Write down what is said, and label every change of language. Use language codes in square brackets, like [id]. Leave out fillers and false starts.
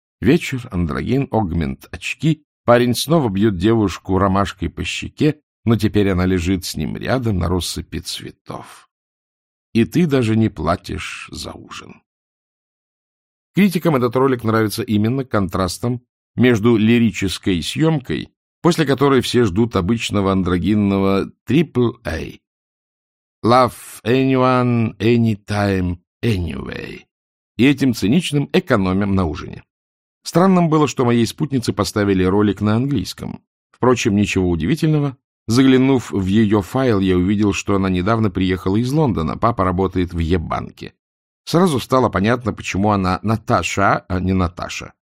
[ru] Вечер, андрогин, огмент, очки. Парень снова бьет девушку ромашкой по щеке, но теперь она лежит с ним рядом на россыпи цветов. И ты даже не платишь за ужин. Критикам этот ролик нравится именно контрастом между лирической съемкой, после которой все ждут обычного андрогинного AAA. [en] Love anyone, anytime, anyway. [ru] И этим циничным экономим на ужине. Странным было, что моей спутнице поставили ролик на английском. Впрочем, ничего удивительного. Заглянув в ее файл, я увидел, что она недавно приехала из Лондона. Папа работает в Е-банке. Сразу стало понятно, почему она Наташа, а не Наташа.